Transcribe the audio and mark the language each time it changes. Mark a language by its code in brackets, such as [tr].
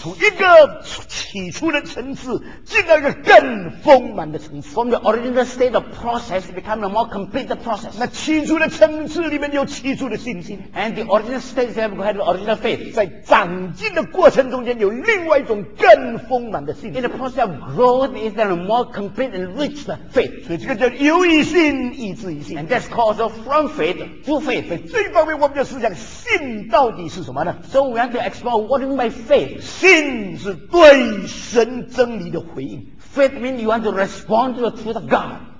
[zh] 从一个起初的层次进到一个更丰满的层次。 [en] From the original state of process, it become a more complete process. [zh] 那起初的层次里面有起初的信心。 [en] And the original state have had original faith. [zh] 在长进的过程中间有另外一种更丰满的信心。 [en] In the process of growth, is there a more complete and rich faith. [zh] 所以这个叫由于信义至于信。 [en] And that's called from faith to faith. [zh] 所以这一方面我们要思想信到底是什么呢？ [en] So we have to explore what is my faith. [zh] 信是对神真理的回应。 [en] Faith means you want to respond to the truth of God.